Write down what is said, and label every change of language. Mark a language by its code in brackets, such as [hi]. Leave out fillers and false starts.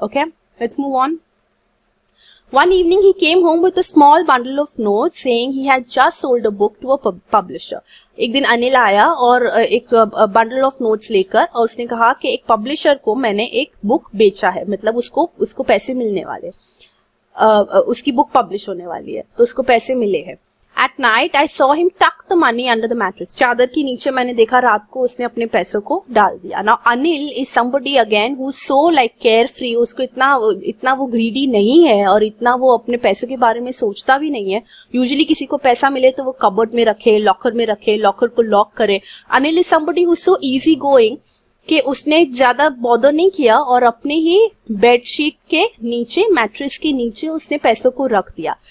[en] Okay, let's move on. One evening he came home with a small bundle of notes saying he had just sold a book to a publisher. [hi] एक दिन अनिल आया और एक [en] bundle of notes [hi] लेकर और उसने कहा कि एक publisher को मैंने एक book बेचा है, मतलब उसको उसको पैसे मिलने वाले, उसकी book publish होने वाली है तो उसको पैसे मिले हैं. [en] At night I saw him tuck the money under the mattress. [hi] चादर के नीचे मैंने देखा रात को उसने अपने पैसों को डाल दिया. [en] Now Anil is somebody again who is so like carefree. [hi] उसको इतना वो greedy नहीं है और इतना वो अपने पैसों के बारे में सोचता भी नहीं है. Usually किसी को पैसा मिले तो वो कबर्ड में रखे, लॉकर में रखे, लॉकर को लॉक करे. [en] Anil is somebody who is so easy going [hi] कि उसने ज्यादा बॉदर नहीं किया और अपने ही बेडशीट के नीचे, मैट्रेस के नीचे उसने पैसों को रख दिया.